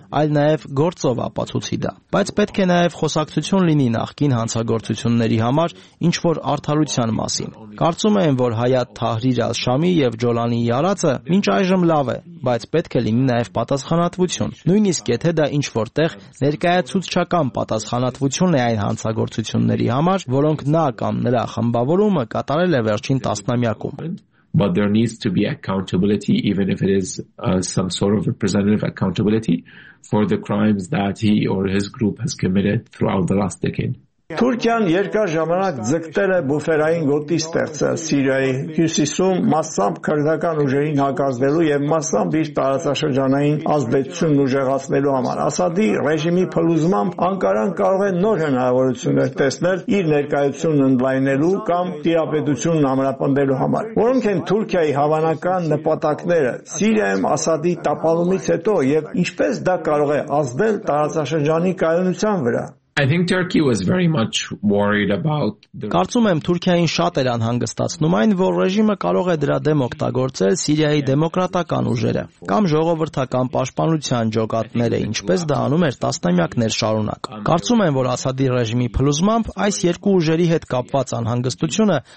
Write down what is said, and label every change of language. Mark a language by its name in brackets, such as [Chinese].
[Armenian] այլ նաեւ գործով ապացուցի դա։ Բայց պետք է նաեւ խոսակցություն լինի նախկին հանցագործությունների համար, ինչ որ արդարության մասին։ Կարծում եմ, որ Հայաթ Թահրիր Ալ-Շամի եւ Ջոլանի յարածը մինչ այժմ լավ է, բայց պետք է լինի նաեւ պատասխանատվություն։ Նույնիսկ եթե դա ինչ որ տեղ ներկայացուցչական պատասխանատվություն է այն հանցագործությունների համար, որոնք նա կամ նրա խմբավորումը կատարել է վերջին տասնամյակում։ [English] But there needs to be accountability, even if it is some sort of representative accountability for the crimes that he or his group has committed throughout the last decade. [Armenian] Թուրքիան երկար ժամանակ ձգտել է բուֆերային գոտի ստեղծել Սիրիայի հյուսիսում մասամբ քրդական ուժերին հակազդելու եւ մասամբ իր տարածաշրջանային ազդեցությունն ուժեղացնելու համար։ Ասադի ռեժիմի փլուզմամբ Անկարան կարող է նոր հնարավորություններ տեսնել իր ներկայությունն ընդլայնելու կամ տիրապետությունն ամրապնդելու համար։ Որոնք են Թուրքիայի հավանական նպատակները Սիրիայում Ասադի տապալումից հետո եւ ինչպես դա կարող է ազդել տարածաշրջանի կայունության վրա։ [English] I think Turkey was very much worried about [Armenian] Կարծում եմ Թուրքիային շատ էր անհանգստացնում այն, որ ռեժիմը կարող է դրա դեմ օգտագործել Սիրիայի դեմոկրատական ուժերը կամ ժողովրդական պաշտպանության ջոկատները, ինչպես դա անում էր տասնամյակներ շարունակ։ Կարծում եմ, որ Ասադի ռեժիմի փլուզմամբ այս երկու ուժերի հետ կապված անհանգստությունը